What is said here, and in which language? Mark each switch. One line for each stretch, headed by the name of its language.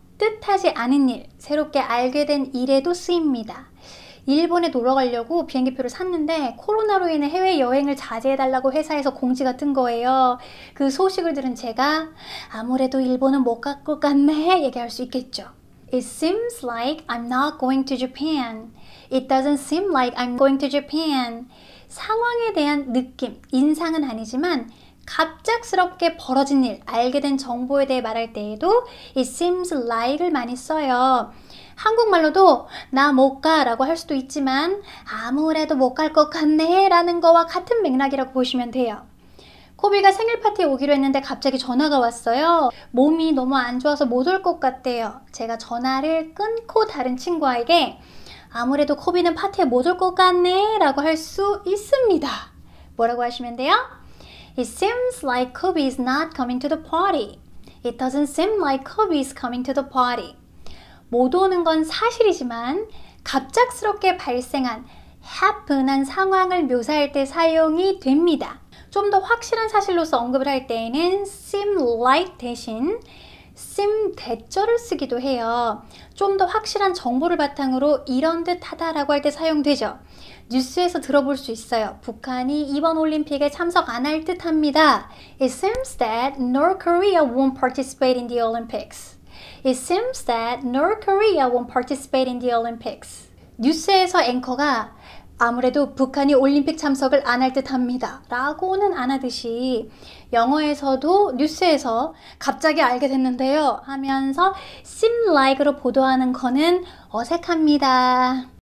Korean: 뜻하지 않은 일, 새롭게 알게 된 일에도 쓰입니다. 일본에 놀러 가려고 비행기표를 샀는데 코로나로 인해 해외여행을 자제해달라고 회사에서 공지가 뜬 거예요. 그 소식을 들은 제가 아무래도 일본은 못 갈 것 같네 얘기할 수 있겠죠.
English: It seems like I'm not going to Japan. It doesn't seem like I'm going to Japan.
Korean: 상황에 대한 느낌, 인상은 아니지만 갑작스럽게 벌어진 일, 알게 된 정보에 대해 말할 때에도
English: It seems like
Korean: 을 많이 써요. 한국말로도 나 못 가라고 할 수도 있지만 아무래도 못 갈 것 같네 라는 거와 같은 맥락이라고 보시면 돼요. 코비가 생일파티에 오기로 했는데 갑자기 전화가 왔어요. 몸이 너무 안 좋아서 못 올 것 같대요. 제가 전화를 끊고 다른 친구에게 아무래도 코비는 파티에 못 올 것 같네 라고 할 수 있습니다. 뭐라고 하시면 돼요?
English: It seems like Kobe is not coming to the party. It doesn't seem like Kobe is coming to the party.
Korean: 못 오는 건 사실이지만 갑작스럽게 발생한 happen한 상황을 묘사할 때 사용이 됩니다. 좀 더 확실한 사실로서 언급을 할 때에는
English: seem like
Korean: 대신 seem 대절을 쓰기도 해요. 좀 더 확실한 정보를 바탕으로 이런 듯 하다라고 할 때 사용되죠. 뉴스에서 들어볼 수 있어요. 북한이 이번 올림픽에 참석 안 할 듯 합니다.
English: It seems that North Korea won't participate in the Olympics. It seems that North Korea won't participate in the Olympics.
Korean: 뉴스에서 앵커가 아무래도 북한이 올림픽 참석을 안 할 듯 합니다 라고는 안 하듯이 영어에서도 뉴스에서 갑자기 알게 됐는데요 하면서
English: seem like
Korean: 으로 보도하는 거는 어색합니다.